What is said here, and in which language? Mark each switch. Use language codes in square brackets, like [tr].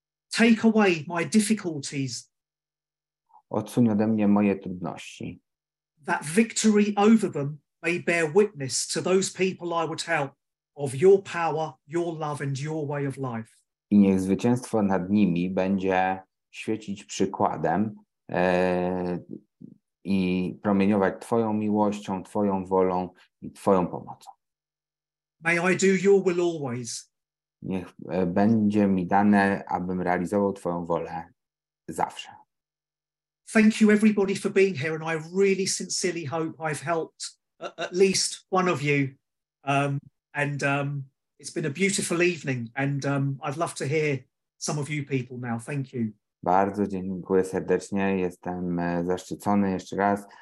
[en] Take away my difficulties. [pl] Odsuń ode mnie moje trudności. [en] That victory over them may bear witness to those people I would help of your power, your love and your way of life. [pl] I niech zwycięstwo nad nimi będzie świecić przykładem i promieniować Twoją miłością, Twoją wolą i Twoją pomocą. [en] May I do your will always. [pl] Niech będzie mi dane, abym realizował Twoją wolę zawsze. [en] Thank you everybody for being here and I really sincerely hope I've helped at least one of you. It's been a beautiful evening and I'd love to hear some of you people now. Thank you. [pl] Bardzo dziękuję serdecznie. Jestem zaszczycony jeszcze raz.